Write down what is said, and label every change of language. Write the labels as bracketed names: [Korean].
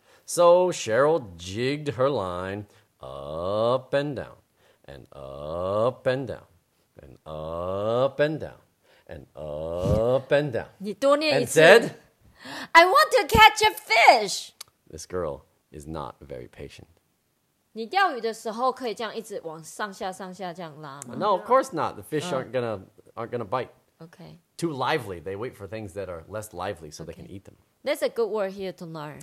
[English] So Cheryl jigged her line up and down, and up and down, and up and down, and up and down. [Chinese] 你多念一次。 [English] And said, I want to catch a fish. This girl is not very patient. [Chinese] 你钓鱼的时候可以这样一直往上下上下这样拉吗？ [English] No, of course not. The fish aren't gonna bite. Okay. Too lively. They wait for things that are less lively so they can eat them. That's a good word here to learn.